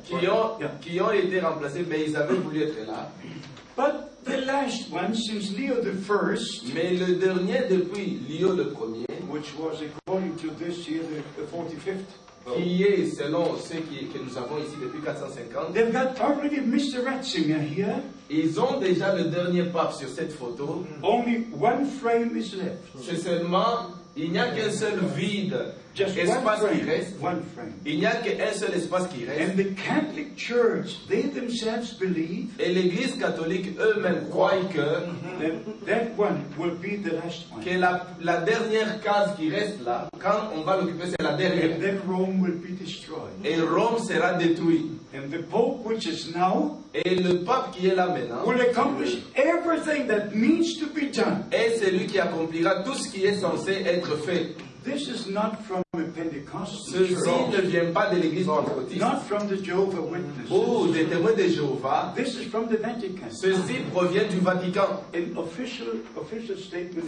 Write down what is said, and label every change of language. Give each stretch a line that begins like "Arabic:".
French: Qui ont été remplacés, mais ils avaient voulu être là.
English: But the last one, since Leo the First,
French: mais le dernier depuis Leo le premier,
English: which was according to this year the 45th.
French: Qui est selon ce que nous avons ici depuis 450. Ils ont déjà le dernier pape sur cette photo.
English: Only one frame is left.
French: C'est seulement, il n'y a qu'un seul vide, espace qui reste.
English: One frame.
French: Il n'y a qu'un seul espace qui reste.
English: And the Catholic Church, they themselves believe.
French: Et l'Église catholique eux-mêmes croient que
English: that one will be the last one.
French: Que la dernière case qui reste là, quand on va l'occuper, c'est la dernière.
English: And then Rome will be destroyed.
French: Et Rome sera détruite.
English: And the Pope, which is now,
French: et le pape qui est là maintenant,
English: will accomplish everything that needs to be done.
French: Et c'est lui qui accomplira tout ce qui est censé être fait.
English: This is not from a Pentecostal
French: ceci
English: church.
French: Ne vient pas de l'Église pentecôtiste.
English: Not from the Jehovah Witnesses.
French: Oh, des témoins de Jéhovah.
English: This is from the Vatican.
French: Ceci provient du Vatican.
English: An official statement.